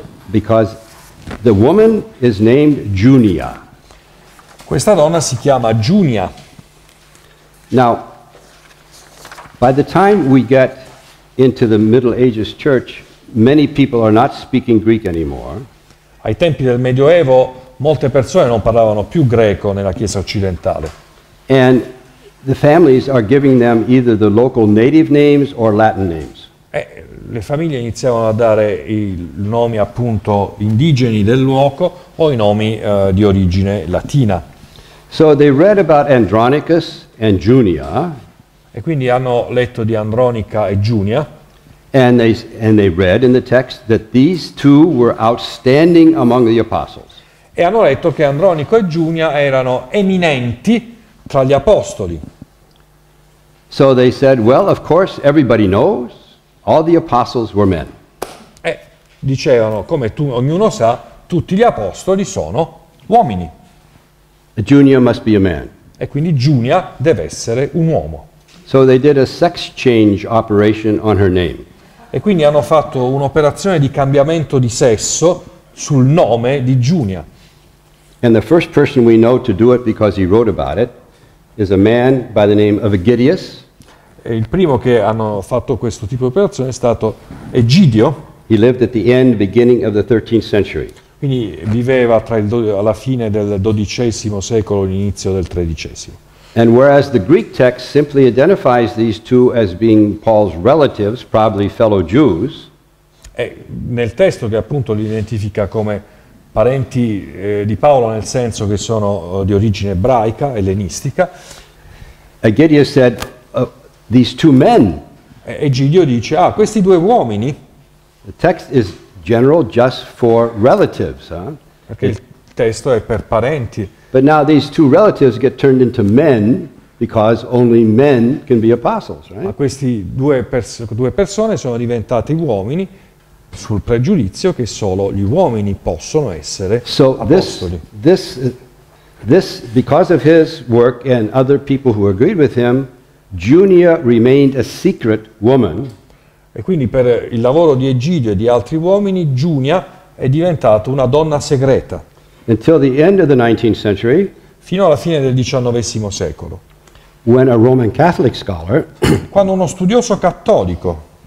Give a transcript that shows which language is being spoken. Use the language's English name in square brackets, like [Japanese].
[English] Because the woman is named Junia. [Italian] Questa donna si chiama Junia. [English] Now, by the time we get into the Middle Ages church, many people are not speaking Greek anymore. [Italian] Ai tempi del Medioevo molte persone non parlavano più greco nella Chiesa occidentale. [English] And the families are giving them either the local native names or Latin names. [Italian] Le famiglie iniziavano a dare i nomi appunto indigeni del luogo o i nomi di origine latina. [English] So they read about Andronicus and Junia. [Italian] E quindi hanno letto di Andronica e Junia. [English] And they read in the text that these two were outstanding among the apostles. [Italian] E hanno letto che Andronico e Giunia erano eminenti tra gli apostoli. [English] So they said, well, of course, everybody knows all the apostles were men. [Italian] E dicevano, come tu, ognuno sa, tutti gli apostoli sono uomini. [English] Giunia must be a man. [Italian] E quindi Giunia deve essere un uomo. [English] So they did a sex change operation on her name. [Italian] E quindi hanno fatto un'operazione di cambiamento di sesso sul nome di Junia. [English] And the first person we know to do it because he wrote about it is a man by the name of Egidius. [Italian] E il primo che hanno fatto questo tipo di operazione è stato Egidio. [English] He lived at the end, beginning of the 13th century. [Italian] Quindi viveva alla fine del XII secolo, l'inizio del XIII. [English] And whereas the Greek text simply identifies these two as being Paul's relatives, probably fellow Jews, [Italian] e nel testo che appunto li identifica come parenti di Paolo, nel senso che sono di origine ebraica, ellenistica, [English] Egidio said, these two men. [Italian] Egidio dice, ah, questi due uomini. [English] The text is general just for relatives, huh? [Italian] Perché il testo è per parenti. [English] But now these two relatives get turned into men because only men can be apostles, right? [Italian] Ma questi due persone sono diventati uomini sul pregiudizio che solo gli uomini possono essere apostoli. [English] So this because of his work and other people who agreed with him, Junia remained a secret woman. [Italian] E quindi per il lavoro di Egidio e di altri uomini, Junia è diventata una donna segreta. [English] Until the end of the 19th century, [Italian] fino alla fine del XIX secolo, [English] when a Roman Catholic scholar, [Italian] quando uno studioso cattolico,